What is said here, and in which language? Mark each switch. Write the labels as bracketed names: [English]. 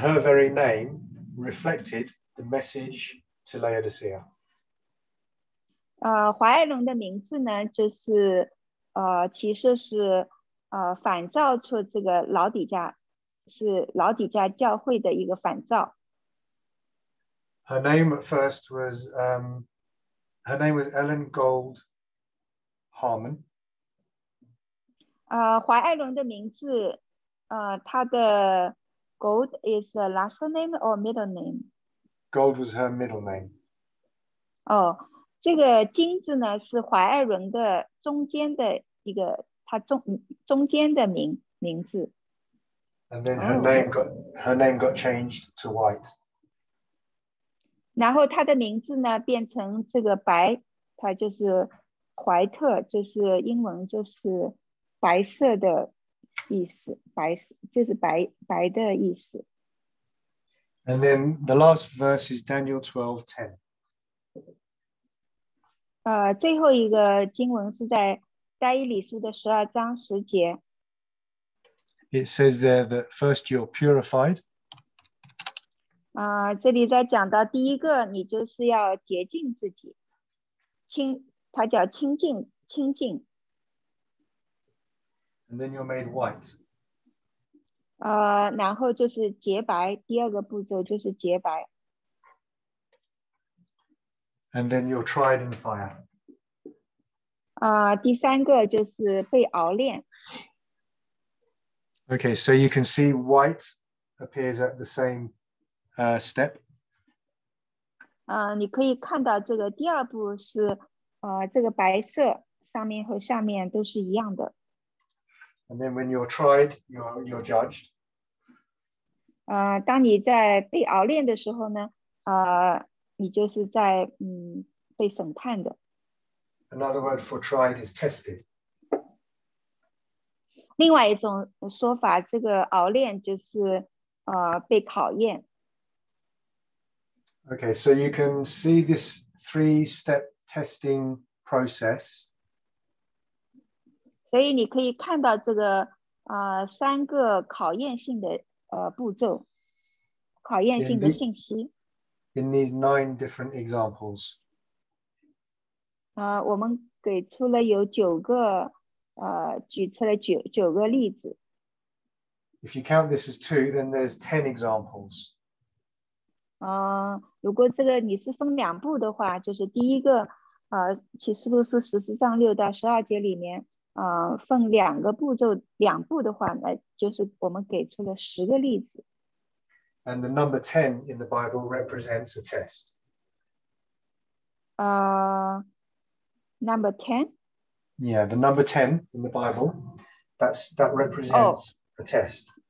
[English] her very name reflected the message to Laodicea. [Chinese] 怀爱伦的名字呢，就是，其实是，反照出这个老底嘉，是老底嘉教会的一个反照。 [English] Her name at first was her name was Ellen Gold Harmon. [Chinese] 怀艾伦的名字，他的 [English] Gold is a last name or middle name? Gold was her middle name. [Chinese] 哦，这个金子呢是怀艾伦的中间的一个，他中间的名字。 [English] And then her name got changed to White. [Chinese] 然后他的名字呢变成这个白，他就是怀特，就是英文就是白色的意思，白色就是白的意思。 [English] And then the last verse is Daniel 12:10. [Chinese] 最后一个经文是在但以理书的十二章十节。 [English] It says there that first you're purified. [Chinese] 这里在讲到第一个，你就是要洁净自己，它叫清净。 [English] And then you're made white. [Chinese] 然后就是洁白，第二个步骤就是洁白。 [English] And then you're tried in fire. [Chinese] 第三个就是被熬炼。 [English] Okay, so you can see white appears at the same step. [Chinese] 你可以看到这个第二步是这个白色上面和下面都是一样的。 [English] And then when you're tried, you're judged. [Chinese] 当你在被熬炼的时候呢，你就是在被审判的。 [English] Another word for tried is tested. [Chinese] 另外一种说法，这个熬炼就是被考验。 [English] Okay, so you can see this three-step testing process. [Chinese] 所以你可以看到这个三个考验性的步骤，考验性的信息。 [English] In these nine different examples. [Chinese] 我们给出了有九个举出了九个例子。 [English] If you count this as two, then there's 10 examples. [Chinese] 如果这个你是分两步的话，就是第一个，启示录书14章6到12节里面，分两个步骤，两步的话呢，就是我们给出了十个例子。 [English] And the number 10 in the Bible represents a test. Number 10? Yeah, the number 10 in the Bible, that represents a test.